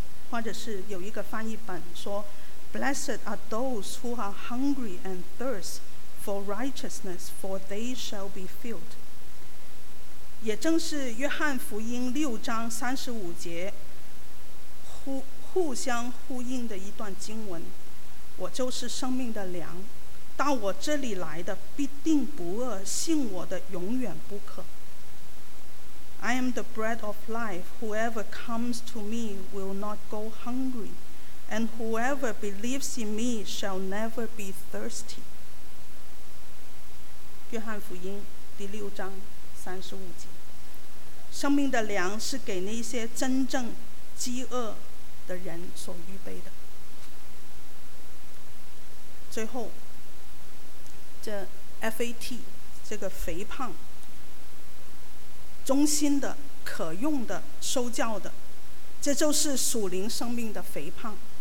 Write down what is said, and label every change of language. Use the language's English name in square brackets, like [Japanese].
[Chinese] 或者是有一个翻译本说 [English] Blessed are those who are hungry and thirst for righteousness, for they shall be filled. [Chinese] 也正是约翰福音六章三十五节 互相呼应的一段经文，我就是生命的粮，到我这里来的必定不饿，信我的永远不渴。 [English] I am the bread of life, whoever comes to me will not go hungry, and whoever believes in me shall never be thirsty. [Chinese] 约翰福音第六章三十五节，生命的粮是给那些真正饥饿的人所预备的。最后这 FAT 这个肥胖忠心的可用的受教的，这就是属灵生命的肥胖。